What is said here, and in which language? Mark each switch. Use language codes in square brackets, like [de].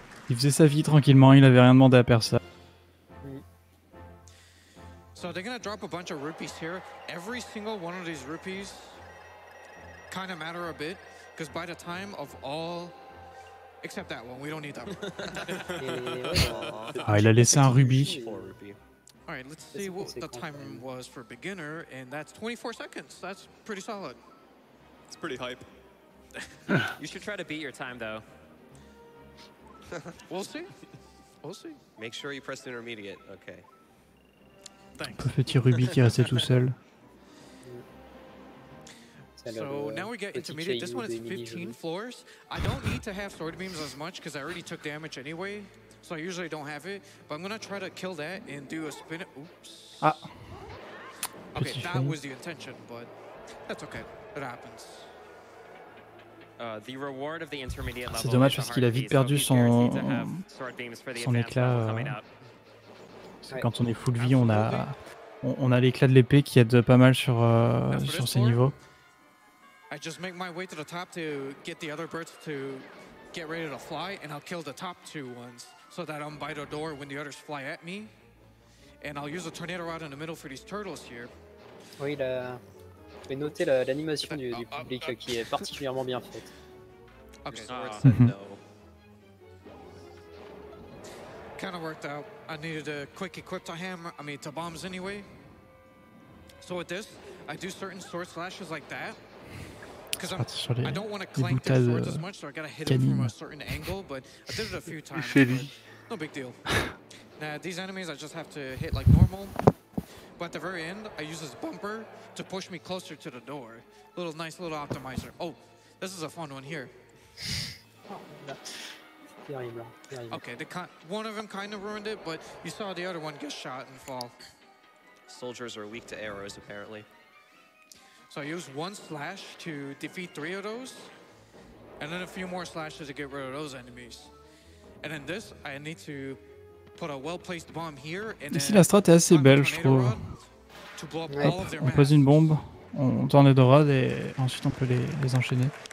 [fr] Il faisait sa vie tranquillement, il n'avait rien demandé à personne. [en] So they're gonna drop a bunch of rupees here. Every single one of these rupees kind of matter a bit, because by the time of all, except that one, we don't need that. [fr] Ah, il a laissé un rubis. [en] All right, let's see what the time was for beginner, and that's 24 seconds. That's pretty solid. It's pretty hype. You should try to beat your time, though. We'll see. Make sure you press intermediate. Okay. [fr] Un petit Ruby qui restait tout seul. [en] So now we get intermediate. This one is 15 floors. I don't need to have sword beams as much because I already took damage anyway. So I usually don't have it. But I'm gonna try to kill that and do a spin. Oops. Ah. Okay, that was the intention, but that's okay. It happens. The reward of the intermediate level. [fr] C'est dommage parce qu'il a vite perdu son éclat. Quand on est full vie, on a l'éclat de l'épée qui aide pas mal sur ces niveaux. [en] I just make my way to the top to get the other birds to get ready to fly, and I'll kill the top two ones so that I'm by the door when the others fly at me. And I'll use a tornado rod in the middle for these turtles here. [fr] Oui, là. Je vais noter l'animation du public qui est particulièrement bien faite. [en] Okay. Kind of worked out. I needed a quick equip to hammer, to bombs anyway. So with this, I do certain sword slashes like that. Because I don't want to clank the sword as much, so I gotta hit it from a certain angle, but I did it a few times. No big deal. Now, these enemies, I just have to hit like normal. But at the very end, I use this bumper to push me closer to the door. Little nice little optimizer. Oh, this is a fun one here. Okay, one of them kind of ruined it, but you saw the other one get shot and fall. Soldiers are weak to arrows, apparently. So I used one slash to defeat three of those, and then a few more slashes to get rid of those enemies. And then this, I need to put a well-placed bomb here, and then... [fr] Ici, la strat est assez belle, je trouve. On pose une bombe. on tourne les dorades et ensuite on peut les enchaîner.